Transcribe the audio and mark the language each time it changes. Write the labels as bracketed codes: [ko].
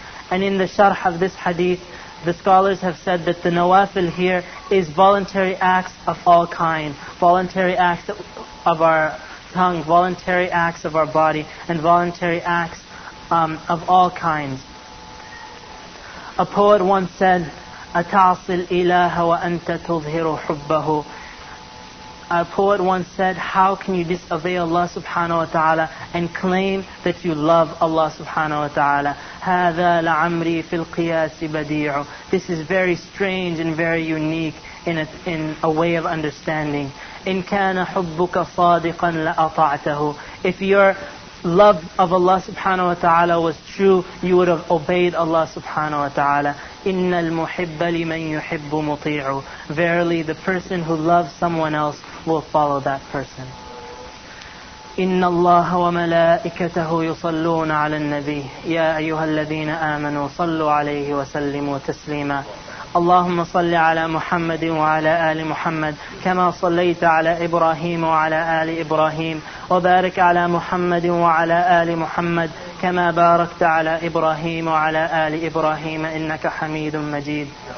[en] And in the sharh of this hadith, the scholars have said that the nawafil here is voluntary acts of all kind, voluntary acts of our tongue, voluntary acts of our body, and voluntary acts of all kinds. A poet once said, [ar] "أتعصي الإله وأنت تظهر حبه." [en] A poet once said, "How can you disobey Allah subhanahu wa ta'ala and claim that you love Allah subhanahu wa ta'ala?" [ar] هذا لعمري في القياس بديع. [en] This is very strange and very unique in a way of understanding. [ar] إن كان حبك صادقا لأطعته. [en] If your love of Allah subhanahu wa ta'ala was true, you would have obeyed Allah subhanahu wa ta'ala. [ar] إِنَّ الْمُحِبَّ لِمَنْ يُحِبُّ مُطِيعُ [en] Verily, the person who loves someone else will follow that person. [ar] إِنَّ اللَّهَ وَمَلَائِكَتَهُ يُصَلُّونَ عَلَى النَّبِيِّ يَا أَيُّهَا الَّذِينَ آمَنُوا صَلُّوا عَلَيْهِ وَسَلِّمُوا تَسْلِيمًا اللهم صل على محمد وعلى آل محمد كما صليت على إبراهيم وعلى آل إبراهيم وبارك على محمد وعلى آل محمد كما باركت على إبراهيم وعلى آل إبراهيم إنك حميد مجيد